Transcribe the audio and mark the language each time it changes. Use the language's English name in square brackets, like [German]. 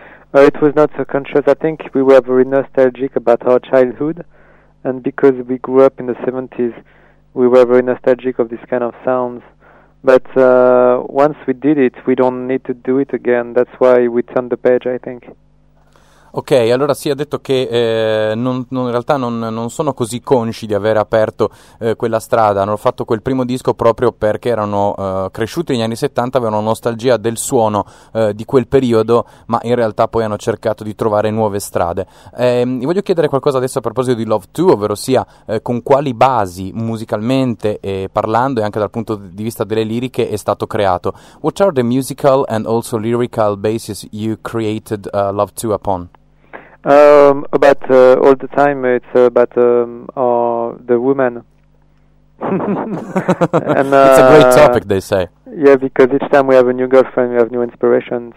[English] It was not so conscious. I think we were very nostalgic about our childhood, and because we grew up in the 70s, we were very nostalgic of this kind of sounds. But once we did it, we don't need to do it again. That's why we turned the page, I think. [Italian] Ok, allora sì, ha detto che in realtà non sono così consci di aver aperto quella strada. Hanno fatto quel primo disco proprio perché erano cresciuti negli anni 70, avevano nostalgia del suono di quel periodo, ma in realtà poi hanno cercato di trovare nuove strade. Vi voglio chiedere qualcosa adesso a proposito di Love 2, ovvero sia con quali basi musicalmente parlando e anche dal punto di vista delle liriche è stato creato. [English] What are the musical and also lyrical basis you created Love 2 upon? About all the time, it's about the woman. And, it's a great topic, they say. Yeah, because each time we have a new girlfriend, we have new inspiration.